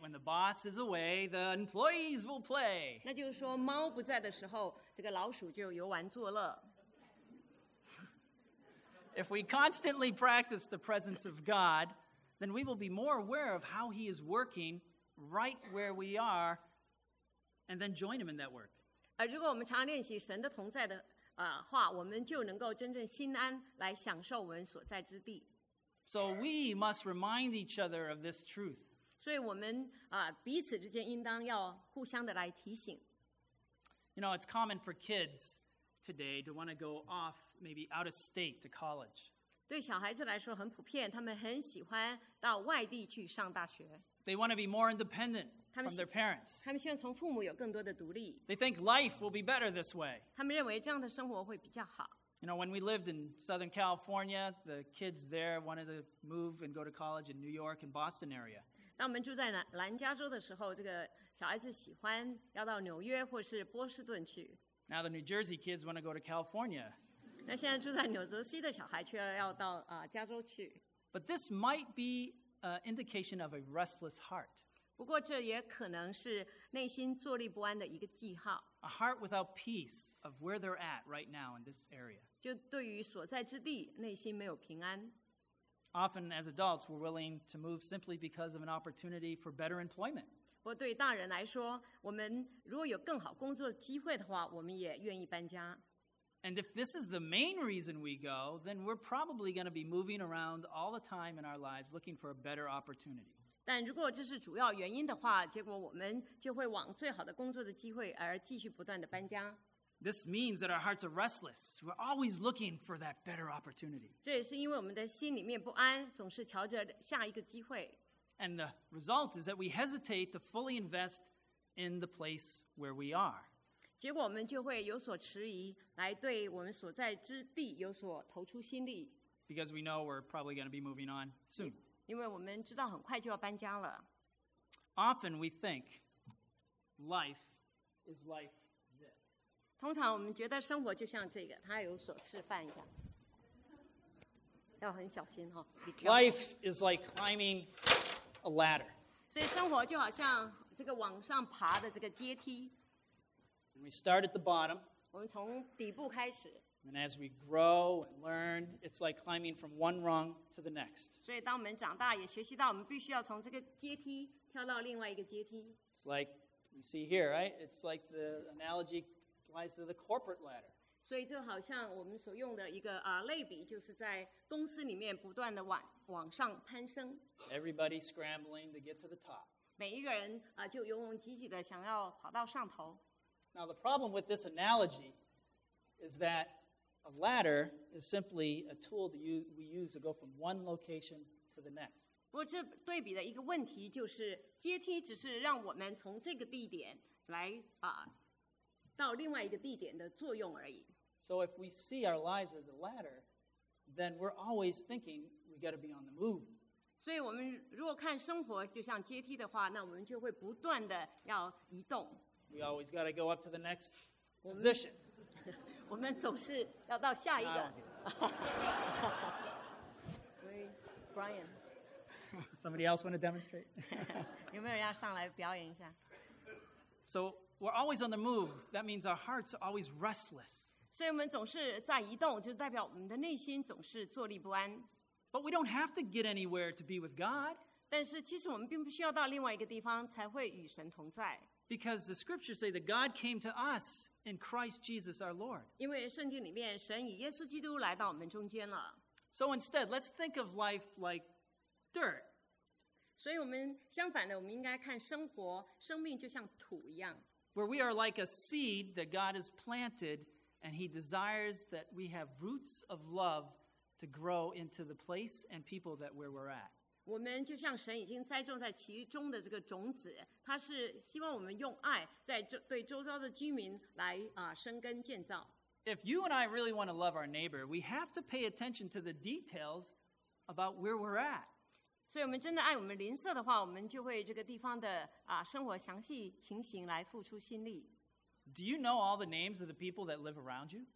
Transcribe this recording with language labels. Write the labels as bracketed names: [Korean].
[English] When the boss is away, the employees will play. [Chinese] 那就是说，猫不在的时候，这个老鼠就游玩作乐。 [English] If we constantly practice the presence of God, then we will be more aware of how He is working right where we are, and then join Him in that work. [Chinese] 而如果我们常练习神的同在的话，我们就能够真正心安来享受我们所在之地。 [English] So we must remind each other of this truth. [Chinese] 所以我们彼此之间应当要互相的来提醒。 [English] You know, it's common for kids. Today, to want to go off, maybe out of state to college. [Chinese] 对小孩子来说很普遍，他们很喜欢到外地去上大学。 [English] They want to be more independent from their parents. [Chinese] 他们希望从父母有更多的独立。 [English] They think life will be better this way. [Chinese] 他们认为这样的生活会比较好。 [English] You know, when we lived in Southern California, the kids there wanted to move and go to college in New York and Boston area. [Chinese] 当我们住在南加州的时候，这个小孩子喜欢要到纽约或是波士顿去。 [English] Now the New Jersey kids want to go to California. [Chinese] 那现在住在纽泽西的小孩却要到加州去。 [English] But this might be an indication of a restless heart. [Chinese] 不过这也可能是内心坐立不安的一个记号。 [English] A heart without peace of where they're at right now in this area. [Chinese] 就对于所在之地内心没有平安。 [English] Often as adults, we're willing to move simply because of an opportunity for better employment. [Chinese] 不过对大人来说，我们如果有更好工作机会的话，我们也愿意搬家。 [English] And if this is the main reason we go, then we're probably going to be moving around all the time in our lives looking for a better opportunity. [Chinese] 但如果这是主要原因的话，结果我们就会往最好的工作的机会而继续不断的搬家。 [English] This means that our hearts are restless. We're always looking for that better opportunity. [Chinese] 这也是因为我们的心里面不安，总是瞧着下一个机会。 [English] And the result is that we hesitate to fully invest in the place where we are. [Chinese] 结果我们就会有所迟疑，来对我们所在之地有所投出心力。 [English] Because we know we're probably going to be moving on soon. [Chinese] 因为我们知道很快就要搬家了。 [English] Often we think life is like this. [Chinese] 通常我们觉得生活就像这个，他有所示范一下，要很小心哈。 [English] Life is like climbing a ladder. [Chinese] 所以生活就好像这个往上爬的这个阶梯。 [English] We start at the bottom. [Chinese] 我们从底部开始。 [English] And as we grow and learn, it's like climbing from one rung to the next. [Chinese] 所以当我们长大，也学习到我们必须要从这个阶梯跳到另外一个阶梯。 [English] It's like we see here, right? It's like the analogy applies to the corporate ladder. [Chinese] 所以就好像我们所用的一个类比，就是在公司里面不断的往上攀升。 [English] Everybody scrambling to get to the top. [Chinese] 每一个人就勇勇急急的想要跑到上头。 [English] Now the problem with this analogy is that a ladder is simply a tool that we use to go from one location to the next. [Chinese] 不过这对比的一个问题就是阶梯只是让我们从这个地点来到另外一个地点的作用而已。 [English] So if we see our lives as a ladder, then we're always thinking we got to be on the move. [Chinese] 所以我们如果看生活就像阶梯的话，那我们就会不断的要移动。 [English] We always got to go up to the next position. [Chinese] 我们总是要到下一个。 [English] Brian. Somebody else want to demonstrate? [Chinese] 有没有人要上来表演一下？ [English] So we're always on the move. That means our hearts are always restless. [Chinese] 所以我们总是在移动，就代表我们的内心总是坐立不安。 [English] But we don't have to get anywhere to be with God. [Chinese] 但是其实我们并不需要到另外一个地方才会与神同在。 [English] Because the scriptures say that God came to us in Christ Jesus our Lord. [Chinese] 因为圣经里面神以耶稣基督来到我们中间了。 [English] So instead, let's think of life like dirt. [Chinese] 所以我们相反的，我们应该看生活，生命就像土一样。 [English] Where we are like a seed that God has planted, and He desires that we have roots of love to grow into the place and people that where we're at. [Chinese] 我们就像神已经栽种在其中的这个种子，他是希望我们用爱在对周遭的居民来生根建造。 [English] If you and I really want to love our neighbor, we have to pay attention to the details about where we're at. [Chinese] 所以我们真的爱我们邻舍的话，我们就会这个地方的生活详细情形来付出心力。 [English] Do you know all the names of the people that live around you?